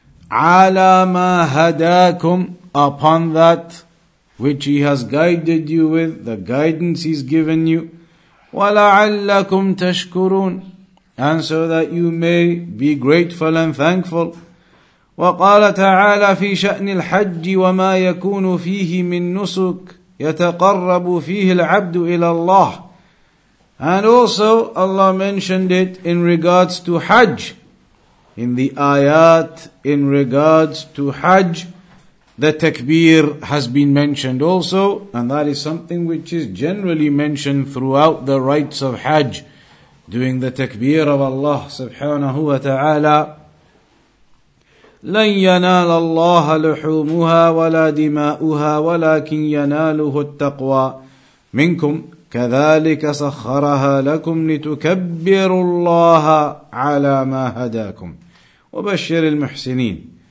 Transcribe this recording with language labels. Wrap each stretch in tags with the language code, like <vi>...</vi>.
<ar>ala ma hadakum,</ar> <en>upon that which He has guided you with, the guidance He's given you,</en> <ar>wa la'allakum tashkurun,</ar> <en>and so that you may be grateful and thankful.</en> <ar>وقال تعالى في شأن الحج وما يكون فيه من نسك يتقرب فيه العبد إلى الله.</ar> <en>And also Allah mentioned it in regards to Hajj, in the ayat in regards to Hajj, the takbir has been mentioned also, and that is something which is generally mentioned throughout the rites of Hajj, doing the takbir of Allah</en> <ar>subhanahu wa ta'ala. لن ينال الله لحومها ولا دماؤها ولكن يناله التقوى منكم كذلك سخرها لكم لتكبروا الله على ما هداكم وبشر المحسنين.</ar>